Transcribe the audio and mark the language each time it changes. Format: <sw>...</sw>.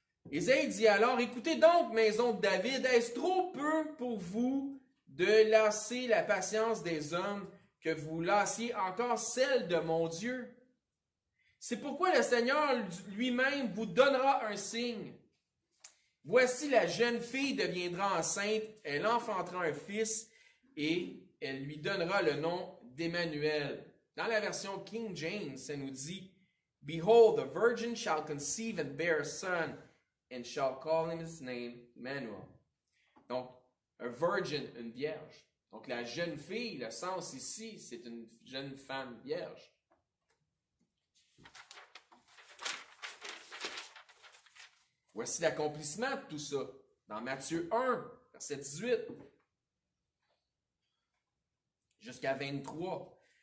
<fr>Ésaïe dit alors, écoutez donc, maison de David, est-ce trop peu pour vous de lasser la patience des hommes que vous lassiez encore celle de mon Dieu? C'est pourquoi le Seigneur lui-même vous donnera un signe. Voici, la jeune fille deviendra enceinte, elle enfantera un fils et elle lui donnera le nom d'Emmanuel. Dans la version King James, ça nous dit,</fr> <en>Behold, the virgin shall conceive and bear a son, and shall call him his name Emmanuel.</en> <fr>Donc,</fr> <en>a virgin,</en> <fr>une vierge. Donc, la jeune fille, le sens ici, c'est une jeune femme vierge. Voici l'accomplissement de tout ça. Dans Matthieu 1, verset 18, jusqu'à 23.</fr>